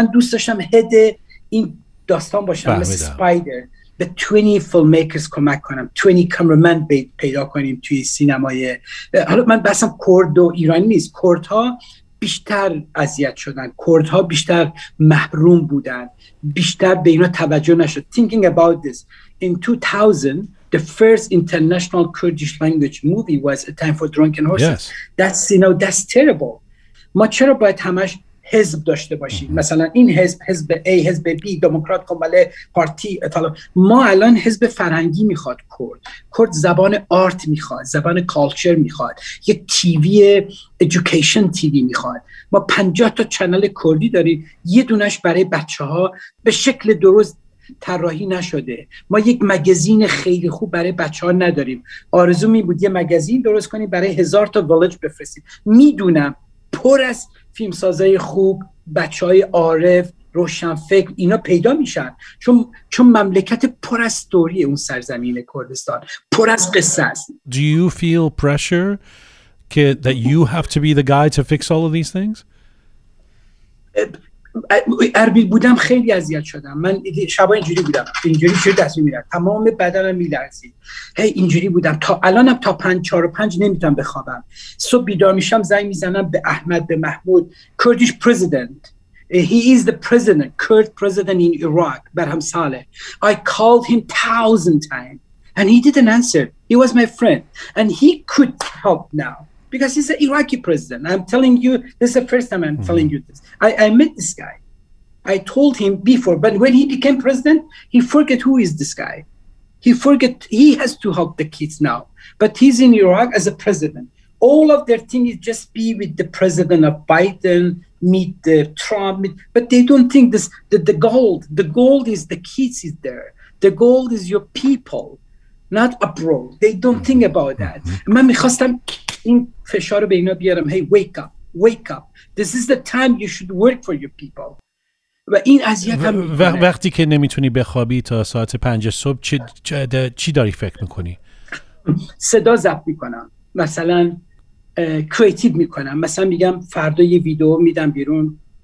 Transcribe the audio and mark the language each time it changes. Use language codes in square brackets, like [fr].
[fa] من دوست داشتم هد این داستان باشم، مثل سپایدر به 20 فیلمیکرز کمک کنم، 20 کامرمن پیدا کنیم توی سینمای. حالا من بسم کرد و ایرانی نیست، کردها بیشتر اذیت شدن، کردها بیشتر محروم بودن، بیشتر به اینا توجه نشد. [en] Thinking about this, in 2000, the first international Kurdish language movie was A Time for Drunken Horses. Yes. That's, you know, that's terrible. [fa] ما چرا باید همش حزب داشته باشیم؟ mm-hmm. مثلا این حزب، حزب A، حزب B، دموکرات، کمباله، پارتی، اطلاع. ما الان حزب فرهنگی میخواد کرد. کرد زبان آرت میخواد، زبان کالچر میخواد، یه تیوی ایژوکیشن تیوی میخواد. ما 50 تا چنل کردی داریم، یه دونش برای بچه ها به شکل درست طراحی نشده. ما یک مگزین خیلی خوب برای بچه ها نداریم. آرزو می بود یه مگزین درست کنیم برای 1000 تا ویلج بفرستیم. میدونم پر از فیلمسازای خوب، بچه های عارف، روشنفکر اینا پیدا میشن، چون مملکت پر از ستوری اون سرزمین کردستان، پر از قصه است. [en] Do you feel pressure that you have to be the guy to fix all of these things? [fa] اربیل بودم خیلی اذیت شدم. من شبا اینجوری بودم، اینجوری چه دست میرم، تمام بدنم میلرزید، هی اینجوری بودم. تا الانم تا 4:05 نمیتونم بخوابم. صبح بیدار میشم، زنگ میزنم به احمد، به محمود، کردیش پرزیدنت، [en] he is the president, Kurd president in Iraq, Bahman Saleh. I called him 1,000 times and he didn't answer. He was my friend and he could help now because he's an Iraqi president. I'm telling you, this is the first time I'm telling you this. I met this guy. I told him before, but when he became president, he forget who is this guy. He forget he has to help the kids now. But he's in Iraq as a president. All of their thing is just be with the president of Biden, meet the Trump. But they don't think this. The gold is the kids is there. The gold is your people, not abroad. They don't think about that. [fa] من میخواستم این فشار رو به اینا بیارم. [en] Hey, wake up. This is the time you should work for your people. [fa] و این اذیت هم میکنه. وقتی که نمیتونی بخوابی تا ساعت 5 صبح، چی داری فکر میکنی؟ صدا ضبط میکنم. مثلا کریتیو میکنم. مثلا میگم فردا یه ویدیو میدم بیرون